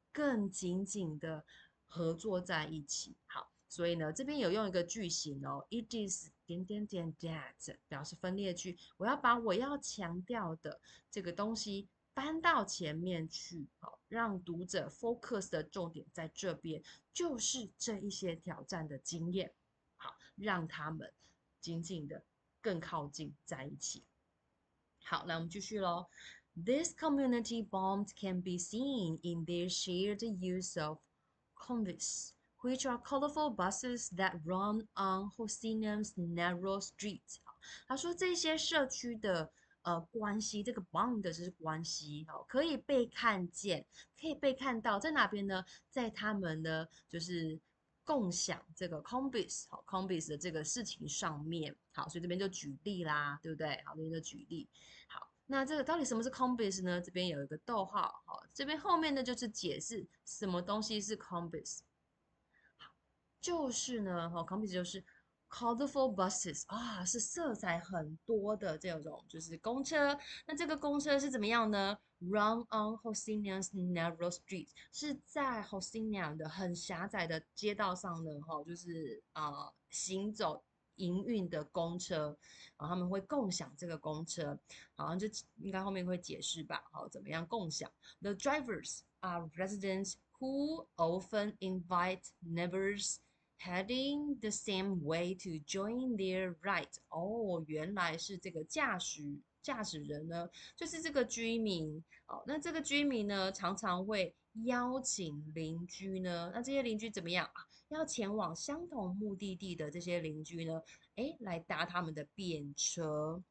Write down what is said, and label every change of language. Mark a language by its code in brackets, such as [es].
[zh] 更紧紧的合作在一起，好，所以呢，这边有用一个句型哦，it is 点点点 that 表示分裂句，我要把我要强调的这个东西搬到前面去，好，让读者 focus 的重点在这边，就是这一些挑战的经验，好，让他们紧紧的更靠近在一起。好，来我们继续喽。 [en] This community bond can be seen in their shared use of convicts, which are colorful buses that run on Hosseinim's narrow street. [zh] 他说这些社区的关系，这个 bond 是关系，可以被看见，可以被看到，在哪边呢？在他们的就是共享这个 convicts convicts 的这个事情上面。好，所以这边就举例啦，对不对？好，这边就举例。好。那这个到底什么是 compass 呢？这边有一个逗号，这边后面呢就是解释什么东西是 compass。就是呢，compass 就是 colorful buses 是色彩很多的这种，就是公车。那这个公车是怎么样呢？ [en] Run on Hosseinim's narrow street [zh] 是在 Hosseinim 的很狭窄的街道上呢，就是行走。营运的公车，然后他们会共享这个公车，好像就应该后面会解释吧。好，怎么样共享？ [en] The drivers are residents who often invite neighbors heading the same way to join their ride。 [zh] 哦，原来是这个驾驶人呢，就是这个居民。哦，那这个居民呢，常常会邀请邻居呢，那这些邻居怎么样啊？要前往相同目的地的这些邻居呢，来搭他们的便车。